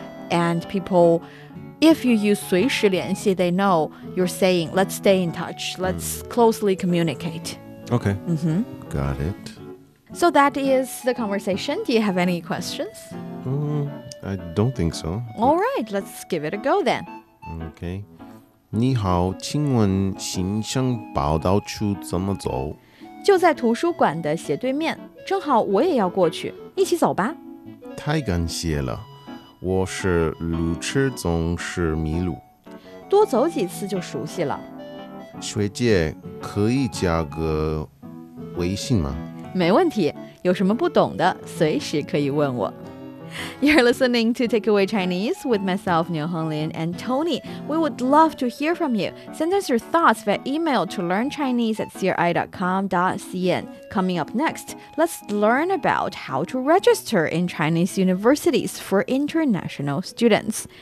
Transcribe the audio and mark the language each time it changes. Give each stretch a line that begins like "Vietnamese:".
English: And people, if you use
Chinese: 随时联系,
English: they know you're saying, let's stay in touch, let's closely communicate. Okay, mm-hmm. Got it. So that is the conversation. Do you have any questions? I don't think so. All right, let's give it a go then. Okay.
Chinese: 你好,请问新生报到处怎么走? 就在图书馆的斜对面,正好我也要过去,一起走吧! 太感谢了,我是路痴总是迷路。多走几次就熟悉了。学姐,可以加个微信吗? 没问题,有什么不懂的,随时可以问我。
English: You're listening to Takeaway Chinese with myself, Niu Honglin, and Tony. We would love to hear from you. Send us your thoughts via email to learnchinese@cri.com.cn. Coming up next, let's learn about how to register in Chinese universities for international students.